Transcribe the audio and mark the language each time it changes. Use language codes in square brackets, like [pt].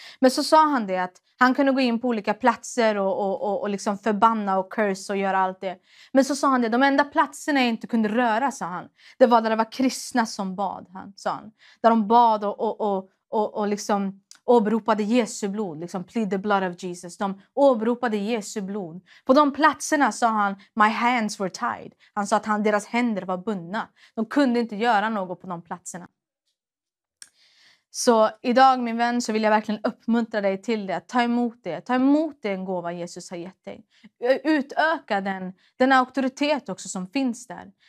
[sv] Men så sa han det att han kunde gå in på olika platser och liksom förbanna och curse och göra allt det. Men så sa han det, de enda platserna jag inte kunde röra, sa han. Det var där det var kristna som bad, sa han. Där de bad och liksom åberopade Jesu blod. Liksom [en] plead the blood of Jesus. [sv] De åberopade Jesu blod. På de platserna sa han, [en] my hands were tied. [sv] Han sa att deras händer var bundna. De kunde inte göra något på de platserna. Så idag, min vän, så vill jag verkligen uppmuntra dig till det. Ta emot det. Ta emot den gåva Jesus har gett dig. Utöka den auktoritet också som finns där.